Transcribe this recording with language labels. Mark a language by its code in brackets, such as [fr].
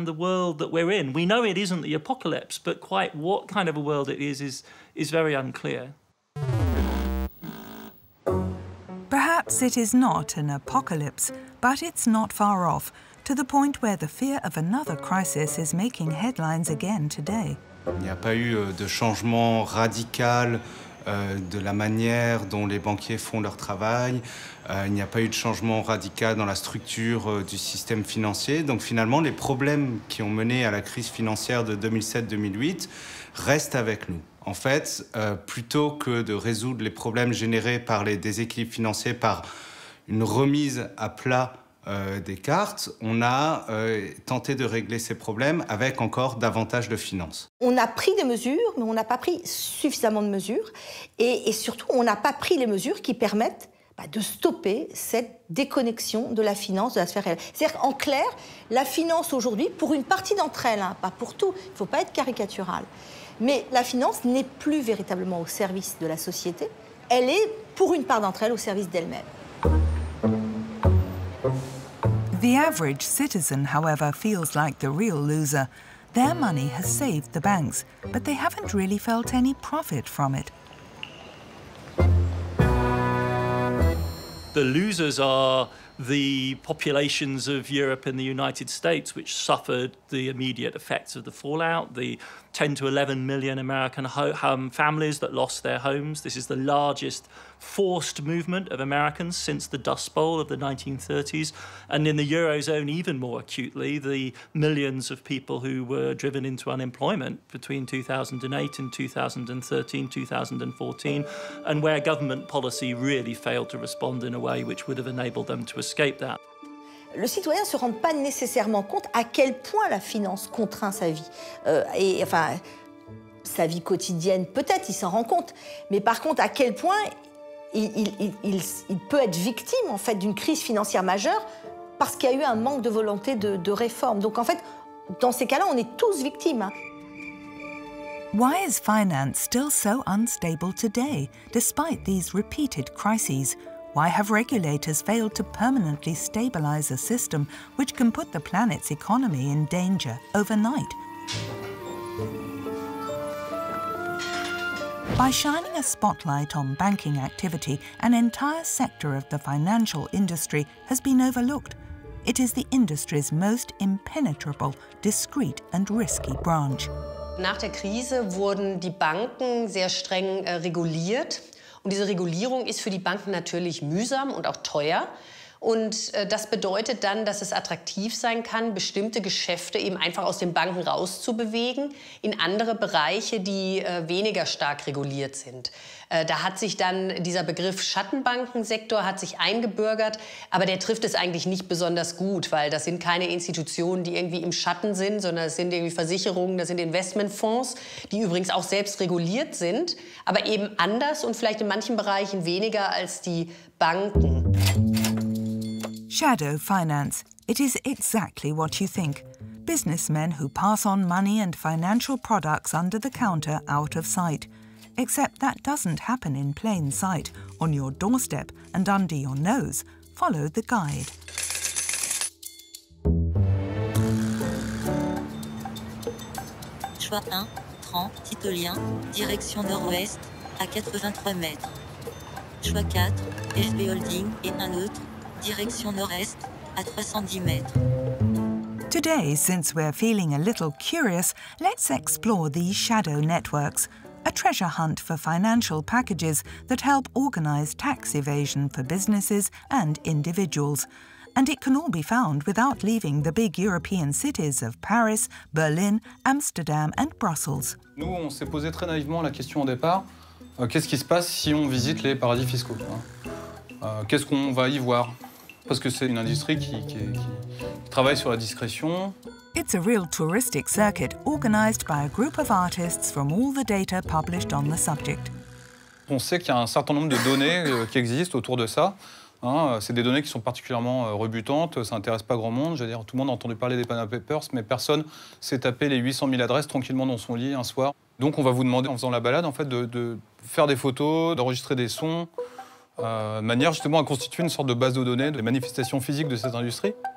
[en] understand the world that we're in. We know it isn't the apocalypse, but quite what kind of a world it is very unclear. Perhaps it is not an apocalypse, but it's not far off, to the point where the fear of another crisis is making headlines again today. [fr] Il n'y a pas eu de changement radical de la manière dont les banquiers font leur travail. Il n'y a pas eu de changement radical dans la structure du système financier. Donc finalement, les problèmes qui ont mené à la crise financière de 2007-2008 restent avec nous. En fait, plutôt que de résoudre les problèmes générés par les déséquilibres financiers, par une remise à plat des cartes, on a tenté de régler ces problèmes avec encore davantage de finances. On a pris des mesures, mais on n'a pas pris suffisamment de mesures. Et surtout, on n'a pas pris les mesures qui permettent de stopper cette déconnexion de la finance, de la sphère réelle. C'est-à-dire qu'en clair, la finance aujourd'hui, pour une partie d'entre elles, hein, pas pour tout, il ne faut pas être caricatural, mais la finance n'est plus véritablement au service de la société. Elle est, pour une part d'entre elles, au service d'elle-même. [en] The average citizen, however, feels like the real loser. Their money has saved the banks, but they haven't really felt any profit from it. The losers are the populations of Europe and the United States, which suffered the immediate effects of the fallout, the 10 to 11 million American families that lost their homes. This is the largest forced movement of Americans since the Dust Bowl of the 1930s. And in the Eurozone, even more acutely, the millions of people who were driven into unemployment between 2008 and 2013, 2014, and where government policy really failed to respond in a way which would have enabled them to escape that. [fr] Le citoyen ne se rend pas nécessairement compte à quel point la finance contraint sa vie. Sa vie quotidienne, peut-être, il s'en rend compte. Mais par contre, à quel point il peut être victime, en fait, d'une crise financière majeure parce qu'il y a eu un manque de volonté de réforme. Donc, en fait, dans ces cas-là, on est tous victimes. [en] Why is finance still so unstable today, despite these repeated crises? Why have regulators failed to permanently stabilize a system which can put the planet's economy in danger overnight? By shining a spotlight on banking activity, an entire sector of the financial industry has been overlooked. It is the industry's most impenetrable, discreet and risky branch. [de] Nach der Krise wurden die Banken sehr streng reguliert. Und diese Regulierung ist für die Banken natürlich mühsam und auch teuer. Und das bedeutet dann, dass es attraktiv sein kann, bestimmte Geschäfte eben einfach aus den Banken rauszubewegen in andere Bereiche, die weniger stark reguliert sind. Da hat sich dann dieser Begriff Schattenbankensektor hat sich eingebürgert, aber der trifft es eigentlich nicht besonders gut, weil das sind keine Institutionen, die irgendwie im Schatten sind, sondern es sind irgendwie Versicherungen, das sind Investmentfonds, die übrigens auch selbst reguliert sind, aber eben anders und vielleicht in manchen Bereichen weniger als die Banken. [en] Shadow finance. It is exactly what you think. Businessmen who pass on money and financial products under the counter out of sight. Except that doesn't happen in plain sight, on your doorstep and under your nose. Follow the guide. [fr] Choix 1, 30, Titolien, direction nord-ouest, à 83 mètres. Choix 4, FB Holding et un autre, direction nord-est, à 310 mètres. [en] Today, since we're feeling a little curious, let's explore these shadow networks. A treasure hunt for financial packages that help organize tax evasion for businesses and individuals. And it can all be found without leaving the big European cities of Paris, Berlin, Amsterdam and Brussels. [fr] Nous, on s'est posé très naïvement la question au départ. Qu'est-ce qui se passe si on visite les paradis fiscaux, hein? Qu'est-ce qu'on va y voir? Parce que c'est une industrie qui travaille sur la discrétion. [en] It's a real touristic circuit organized by a group of artists from all the data published on the subject. [fr] On sait qu'il y a un certain nombre de données qui existent autour de ça. Hein, c'est des données qui sont particulièrement rebutantes, ça intéresse pas grand monde. J'allais dire, tout le monde a entendu parler des Panama Papers, mais personne s'est tapé les 800 000 adresses tranquillement dans son lit un soir. Donc on va vous demander, en faisant la balade, en fait, de faire des photos, d'enregistrer des sons, de manière justement à constituer une sorte de base de données des manifestations physiques de cette industrie.